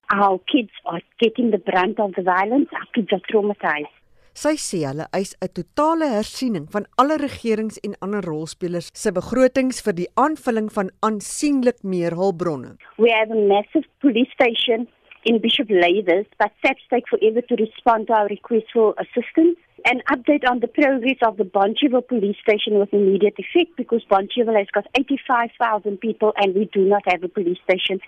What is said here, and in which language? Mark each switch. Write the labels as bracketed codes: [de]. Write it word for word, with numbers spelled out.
[en] Our kids are getting the brunt of the violence, our kids are traumatized. [af] Sy sê hulle eis 'n totale hersiening van alle regerings en ander rolspelers se begrotings vir die aanvulling van aansienlik meer hulpbronne. [en] We have a massive police station in Bishop Lathers, but S A P S take forever to respond to our request for assistance. An update on the progress of the Boncheville police station with immediate effect, because Boncheville has got eighty-five thousand people and we do not have a police station.